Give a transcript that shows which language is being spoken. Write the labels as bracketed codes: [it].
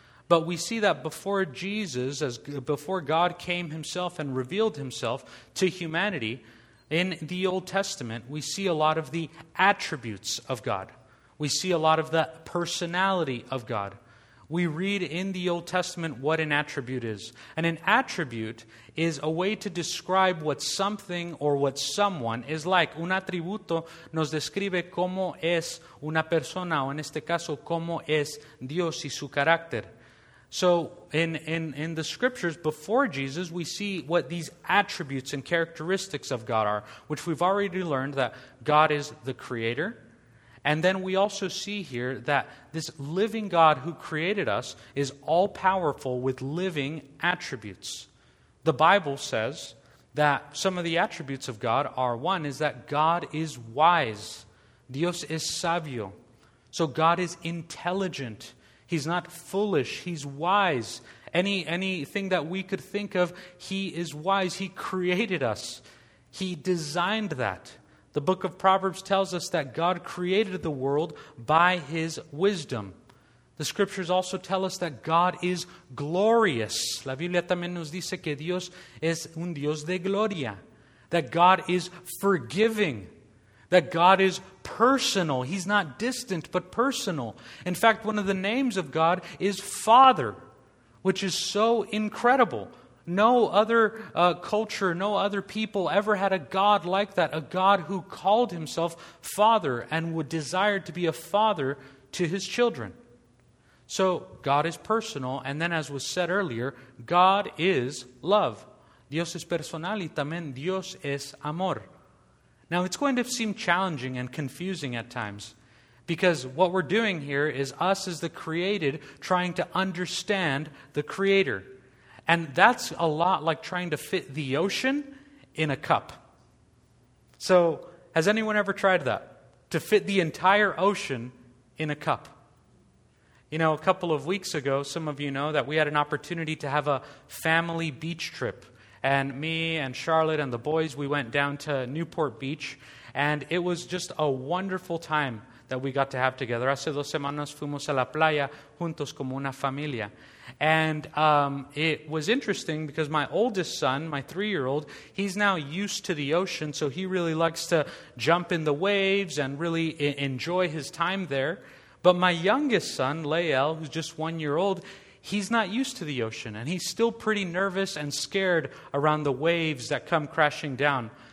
[en] But we see that before Jesus, before God came himself and revealed himself to humanity, in the Old Testament, we see a lot of the attributes of God. We see a lot of the personality of God. We read in the Old Testament what an attribute is. And an attribute is a way to describe what something or what someone is like. [es] Un atributo nos describe cómo es una persona, o en este caso, cómo es Dios y su carácter. [en] So in the scriptures before Jesus, we see what these attributes and characteristics of God are, which we've already learned that God is the Creator. And then we also see here that this living God who created us is all-powerful with living attributes. The Bible says that some of the attributes of God are, one is that God is wise. [es] Dios es sabio. [en] So God is intelligent. He's not foolish. He's wise. Anything that we could think of, he is wise. He created us. He designed that. The book of Proverbs tells us that God created the world by his wisdom. The scriptures also tell us that God is glorious. [es] La Biblia también nos dice que Dios es un Dios de gloria. [en] That God is forgiving. That God is personal. He's not distant, but personal. In fact, one of the names of God is Father, which is so incredible. No other culture, no other people ever had a God like that, a God who called himself Father and would desire to be a father to his children. So God is personal, and then as was said earlier, God is love. [es] Dios es personal y también Dios es amor. [en] Now, it's going to seem challenging and confusing at times, because what we're doing here is us as the created trying to understand the Creator. And that's a lot like trying to fit the ocean in a cup. So, has anyone ever tried that? To fit the entire ocean in a cup? You know, a couple of weeks ago, some of you know that we had an opportunity to have a family beach trip. And me and Charlotte and the boys, we went down to Newport Beach. And it was just a wonderful time that we got to have together. [es] Hace dos semanas fuimos a la playa juntos como una familia. [en] And it was interesting because my oldest son, my three-year-old, he's now used to the ocean. So he really likes to jump in the waves and really enjoy his time there. But my youngest son, Lael, who's just 1 year old, He's not used to the ocean, and he's still pretty nervous and scared around the waves that come crashing down.